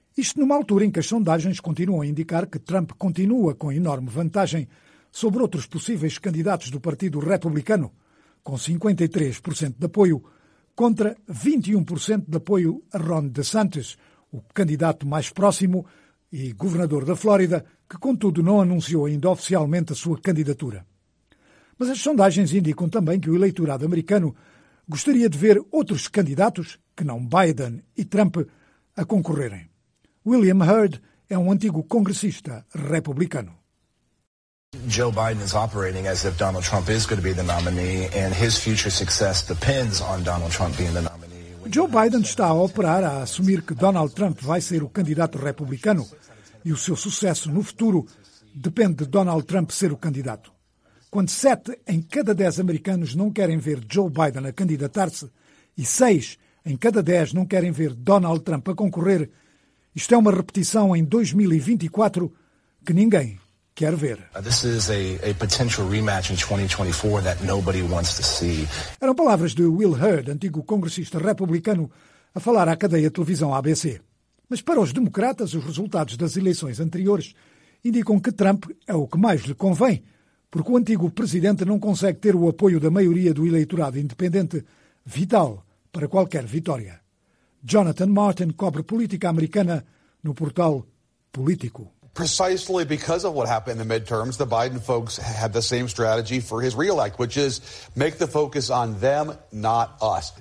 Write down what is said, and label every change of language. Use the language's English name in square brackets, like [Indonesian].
[Portuguese] Isto numa altura em que as sondagens continuam a indicar que Trump continua com enorme vantagem sobre outros possíveis candidatos do Partido Republicano, com 53% de apoio contra 21% de apoio a Ron DeSantis, o candidato mais próximo e governador da Flórida, que contudo não anunciou ainda oficialmente a sua candidatura. Mas as sondagens indicam também que o eleitorado americano gostaria de ver outros candidatos, que não Biden e Trump, a concorrerem. William Hurd é um antigo congressista republicano. [English] Joe Biden is operating as if Donald Trump is going to be the nominee and his future success depends on Donald Trump being the nominee. [Portuguese] Joe Biden está a operar a assumir que Donald Trump vai ser o candidato republicano e o seu sucesso no futuro depende de Donald Trump ser o candidato. Quando 7 em cada 10 americanos não querem ver Joe Biden a candidatar-se e 6 em cada 10 não querem ver Donald Trump a concorrer, isto é uma repetição em 2024 que ninguém quer ver. [English] This is a potential rematch in 2024 that nobody wants to see. [Portuguese] Eram palavras de Will Hurd, antigo congressista republicano, a falar à cadeia de televisão ABC. Mas para os democratas, os resultados das eleições anteriores indicam que Trump é o que mais lhe convém, porque o antigo presidente não consegue ter o apoio da maioria do eleitorado independente, vital para qualquer vitória. Jonathan Martin cobre política americana no portal Político. [English] Precisely because of what happened in the midterms, the Biden folks had the same strategy for his reelect, which is make the focus on them, not us.